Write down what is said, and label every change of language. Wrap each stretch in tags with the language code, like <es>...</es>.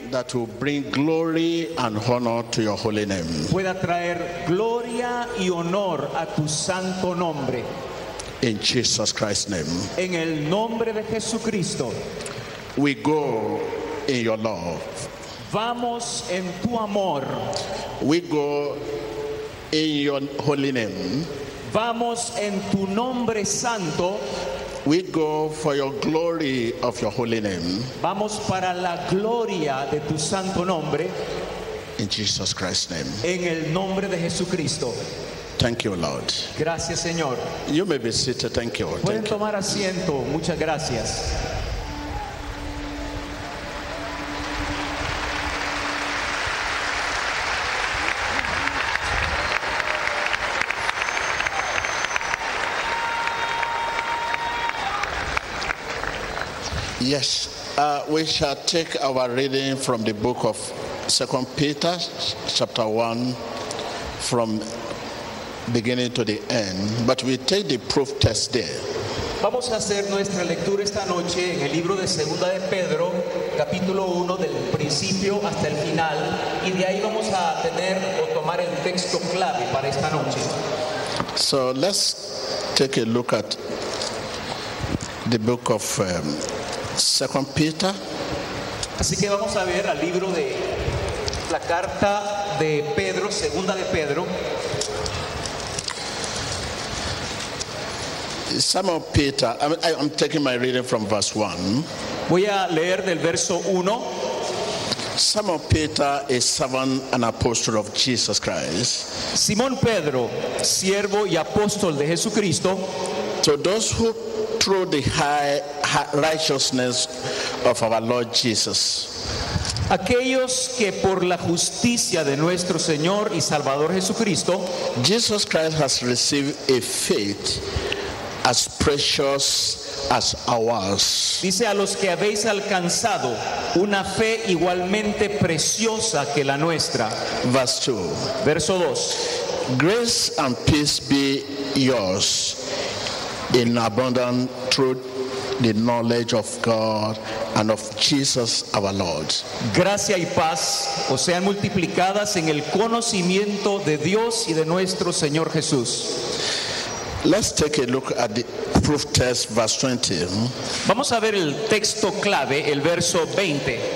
<en>that will bring glory and honor to your holy name,</en> <es>pueda traer gloria y honor a tu santo nombre,</es> <en>in Jesus Christ's name,</en> <es>en el nombre de Jesucristo.</es> <en>We go in your love.</en> <es>Vamos en tu amor.</es> <en>We go in your holy name.</en> <es>Vamos en tu nombre santo.</es> <en>We go for your glory of your holy name.</en> <es>Vamos para la gloria de tu santo nombre.</es> <en>In Jesus Christ's name.</en> <es>En el nombre de Jesucristo.</es> <en>Thank you, Lord.</en> <es>Gracias, Señor.</es> <en>You may be seated. Thank you.</en> <es>Pueden tomar asiento. Muchas gracias.</es> <en>Yes, we shall take our reading from the book of 2 Peter, chapter 1, from beginning to the end. But we take the proof text there.</en> <es>Vamos a hacer nuestra lectura esta noche en el libro de Segunda de Pedro, capítulo 1, del principio hasta el final. Y de ahí vamos a tener o tomar el texto clave para esta noche.</es> <en>So let's take a look at the book of 2 Peter.</en> <es>Así que vamos a ver al libro de la carta de Pedro, segunda de Pedro.</es> <en>Simon Peter, I'm taking my reading from verse 1.</en> <es>Voy a leer del verso 1.</es> <en>Simon Peter, a servant and apostle of Jesus Christ.</en> <es>Simón Pedro, siervo y apóstol de Jesucristo.</es> <en>To those who through the high righteousness of our Lord Jesus.</en> <es>Aquellos que por la justicia de nuestro Señor y Salvador Jesucristo.</es> <en>Jesus Christ has received a faith as precious as ours.</en> <es>Dice a los que habéis alcanzado una fe igualmente preciosa que la nuestra.</es> <en>Verse 2.</en> <es>Verso 2.</es> <en>Grace and peace be yours in abundant truth, the knowledge of God and of Jesus our Lord.</en> <es>Gracia y paz o sean multiplicadas en el conocimiento de Dios y de nuestro Señor Jesús.</es> <en>Let's take a look at the proof text, verse 20.</en> <es>Vamos a ver el texto clave, el verso 20.</es>